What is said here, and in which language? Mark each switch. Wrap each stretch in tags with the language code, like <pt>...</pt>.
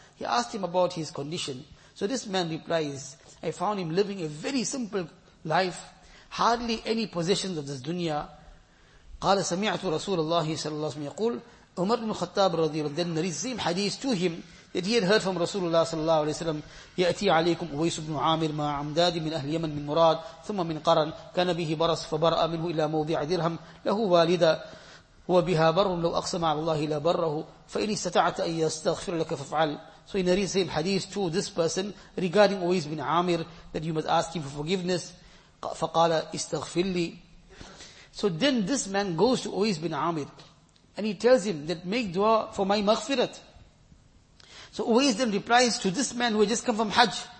<en>He asked him about his condition. So this man replies, I found him living a very simple life, hardly any possessions of this dunya.</en> <ar>قال سمعت رسول الله صلى الله عليه وسلم يقول عمر بن الخطاب رضي الله عنه</ar> <en>narrates the same hadith to him that he had heard from</en> <ar>رسول الله صلى الله عليه وسلم يأتي عليكم أويس بن عامر مع عمداد من أهل يمن من مراد ثم من قرن كان به برص فبرأ منه إلى موضع درهم له والدة هو بها بر لو أقسم على الله لا بره فإن استطعت أن يستغفر لك فافعل.</ar> <en>So he narrates the same hadith to this person regarding Uwais bin Amir that you must ask him for forgiveness.</en> <ar>فقال استغفر لي.</ar> <en>So then this man goes to Uwais bin Amir and he tells him that make dua for my maghfirat. So Uwais then replies to this man who had just come from Hajj.</en>